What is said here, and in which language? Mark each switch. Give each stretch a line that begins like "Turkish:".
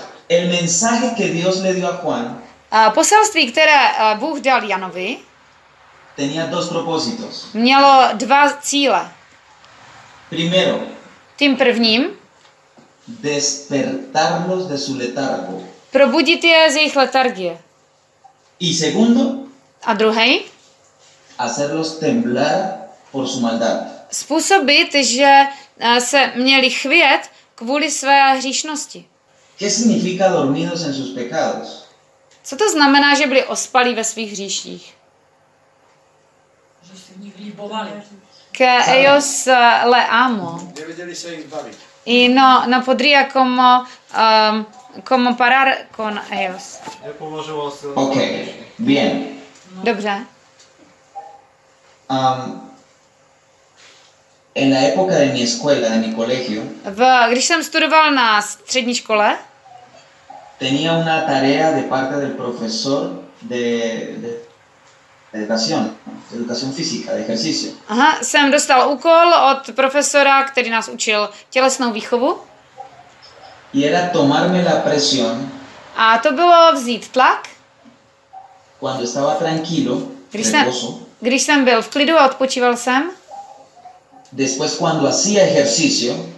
Spanish: El mensaje que Dios le dio a Juan,
Czech: poselství, které Bůh dal Janovi,
Spanish: tenía dos propósitos.
Czech: Mělo dva cíle.
Spanish: Primero,
Czech: tím prvním,
Spanish: despertarlos de su letargo.
Czech: Probudit je z jejich letargie.
Spanish: Y segundo,
Czech: a druhý,
Spanish: hacerlos temblar por su maldad.
Czech: Způsobit, že se měli chvět kvůli své hříšnosti.
Spanish: ¿Qué significa dormidos en sus pecados?
Czech: Co to znamená, že byli ospalí ve svých hříších? Že se v nich líbovali.
Spanish: Que ellos le amo.
Czech: Nevěděli se jim bavit.
Spanish: Y no, no podría como, como parar con ellos. Ok, bien.
Czech: Dobře.
Spanish: En la época de mi escuela, de mi colegio,
Czech: když jsem studoval na střední škole,
Spanish: tenía una tarea de parte del profesor de educación, de educación física, de ejercicio.
Czech: Aha, jsem dostal úkol od profesora, který nás učil tělesnou výchovu.
Spanish: Y era tomarme la presión.
Czech: A to bylo vzít tlak.
Spanish: Cuando estaba tranquilo, reposo.
Czech: Když jsem byl v klidu a odpočíval jsem.
Spanish: Después cuando hacía ejercicio.